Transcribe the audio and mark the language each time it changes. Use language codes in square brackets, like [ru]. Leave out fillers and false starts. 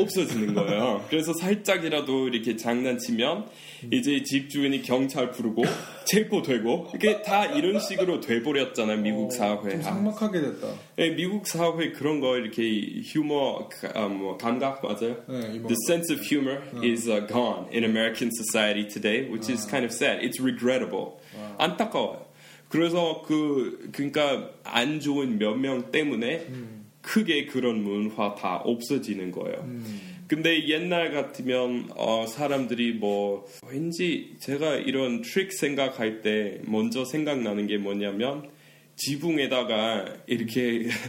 [ko] 없어지는 거예요. 그래서 살짝이라도 이렇게 장난치면 이제 집주인이 경찰 부르고 체포되고 이게 다 이런 식으로 돼버렸잖아요. 미국 사회 좀 삭막하게 됐다. 네, 미국 사회 그런 거 이렇게 휴머 뭐 감각 맞아요? 네, [en] The sense of humor is gone in American society today, which is kind of sad. It's regrettable. [ko] 안타까워요. 그래서 그러니까 안 좋은 몇 명 때문에 크게 그런 문화 다 없어지는 거예요. 근데 옛날 같으면 사람들이 뭐 왠지 제가 이런 트릭 생각할 때 먼저 생각나는 게 뭐냐면 지붕에다가 이렇게